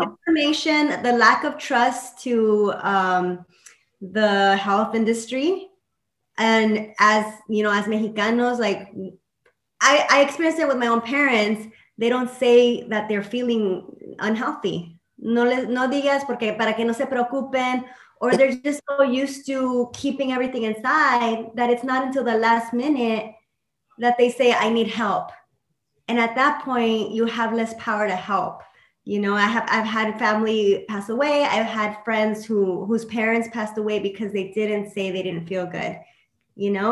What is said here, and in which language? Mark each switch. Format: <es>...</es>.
<en>Information, the lack of trust to the health industry. And as, you know, as Mexicanos, like, I experienced it with my own parents. They don't say that they're feeling unhealthy.</en> <es>No digas porque para que no se preocupen.</es> <en>Or they're just so used to keeping everything inside that it's not until the last minute that they say, I need help. And at that point, you have less power to help. You know, I've had family pass away. I've had friends whose parents passed away because they didn't say they didn't feel good, you know?</en>